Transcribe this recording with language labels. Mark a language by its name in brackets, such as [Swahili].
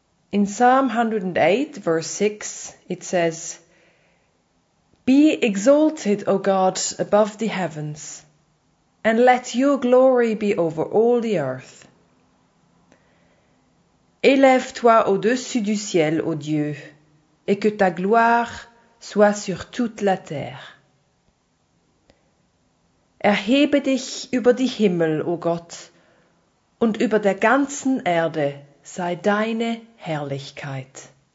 [English] In Psalm 108, verse 6, it says, "Be exalted, O God, above the heavens, and let your glory be over all the earth. [French] Élève-toi au-dessus du ciel, ô Dieu, et que ta gloire soit sur toute la terre. [German] Erhebe dich über die Himmel, o Gott, und über der ganzen Erde sei deine Herrlichkeit."